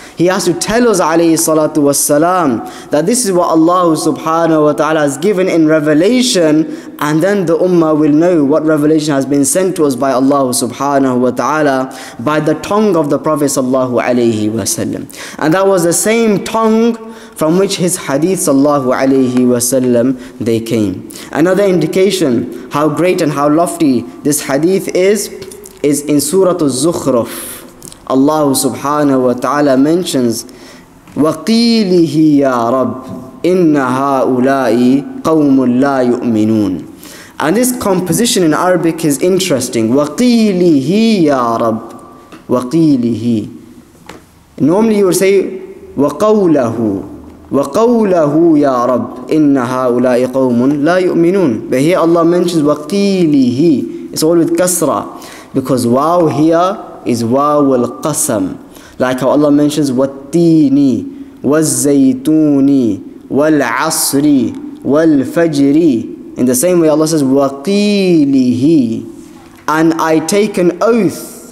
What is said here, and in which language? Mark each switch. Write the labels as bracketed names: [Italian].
[English] He has to tell us alayhi salatu wa sallam that this is what Allah subhanahu wa ta'ala has given in revelation, and then the ummah will know what revelation has been sent to us by Allah subhanahu wa ta'ala by the tongue of the Prophet sallallahu alayhi wa sallam. And that was the same tongue from which his hadith sallallahu alayhi wa sallam, they came. Another indication how great and how lofty this hadith is in Surah Az-Zukhruf. Allah subhanahu wa ta'ala mentions, [Arabic] وَقِيلِهِ يَا رَبِّ إِنَّ هَٰؤُلَاءِ قَوْمٌ لَا يُؤْمِنُونَ. [English] And this composition in Arabic is interesting. [Arabic] وَقِيلِهِ يَا رَبِّ وَقِيلِهِ. [English] Normally you would say [Arabic] وَقَوْلَهُ وَقَوْلَهُ يَا رَبِّ إِنَّ هَؤُلَاءِ قَوْمٌ لَا يُؤْمِنُونَ. [English] But here Allah mentions وَقِيلِهِ. It's all with kasra, because waw here is waw al-qasam. Like how Allah mentions [Arabic] وَالتِّينِ وَالزَّيْتُونِ وَالْعَصْرِ وَالْفَجْرِ. [English] In the same way Allah says [Arabic] وَقِيلِهِ. [English] And I take an oath.